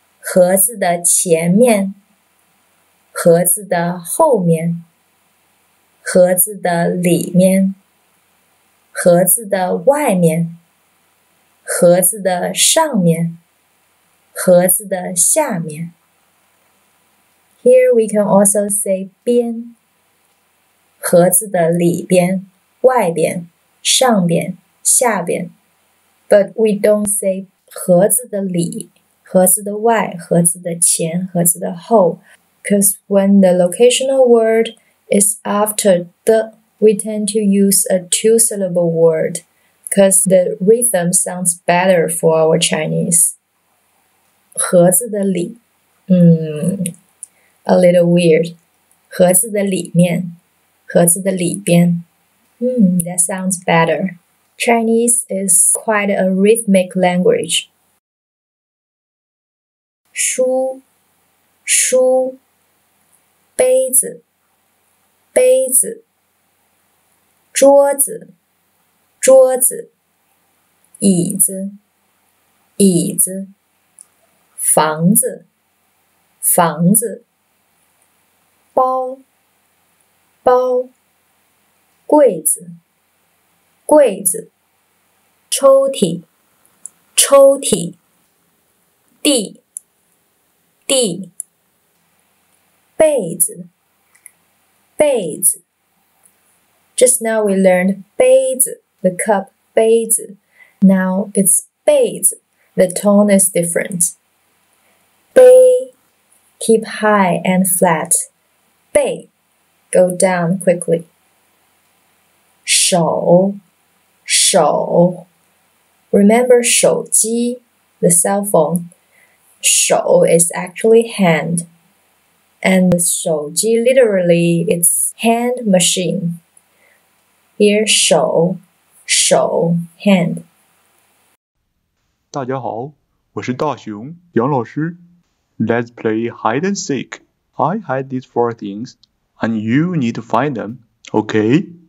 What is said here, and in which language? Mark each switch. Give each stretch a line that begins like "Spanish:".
Chinese: 盒子的前面，盒子的后面，盒子的里面，盒子的外面，盒子的上面，盒子的下面。
English: Here we can also say 边，
Chinese: 盒子的里边、外边、上边、下边。
English: But we don't say
Chinese: 盒子的里。 盒子的外，盒子的前，盒子的后
English: Because when the locational word is after the We tend to use a two-syllable word because the rhythm sounds better for our Chinese.
Chinese: 盒子的里，
English: a little weird.
Chinese: 盒子的里面，盒子的里边。
English: That sounds better. Chinese is quite a rhythmic language.
Chinese: 书，书，杯子，杯子。桌子，桌子，椅子，椅子，房子，房子，包，包，柜子，柜子，抽屉，抽屉，地，地，被子，被子。
English: Just now we learned 杯子, the cup 杯子. Now it's 杯子, the tone is different. 杯, keep high and flat. 杯, go down quickly. 手, 手.Remember 手机, the cell phone. 手 is actually hand. And 手机 literally it's hand machine. Here, 手, 手, hand.
Chinese: 大家好,我是大熊,杨老师。
English: Let's play hide and seek. I hide these four things, and you need to find them, okay?